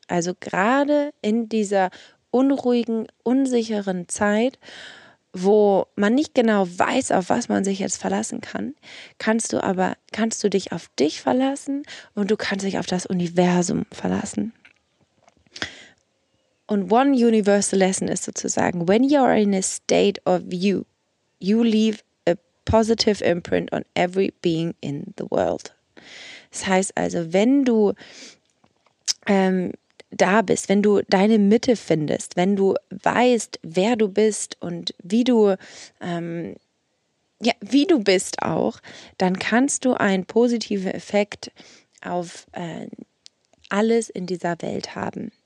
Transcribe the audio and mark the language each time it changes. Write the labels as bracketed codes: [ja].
[de] Also gerade in dieser unruhigen, unsicheren Zeit, wo man nicht genau weiß, auf was man sich jetzt verlassen kann, kannst du dich auf dich verlassen und du kannst dich auf das Universum verlassen. Und [en] one universal lesson [de] ist sozusagen, [en] when you are in a state of you, you leave a positive imprint on every being in the world. [de] Das heißt also, wenn du da bist, wenn du deine Mitte findest, wenn du weißt, wer du bist und wie du, wie du bist auch, dann kannst du einen positiven Effekt auf alles in dieser Welt haben.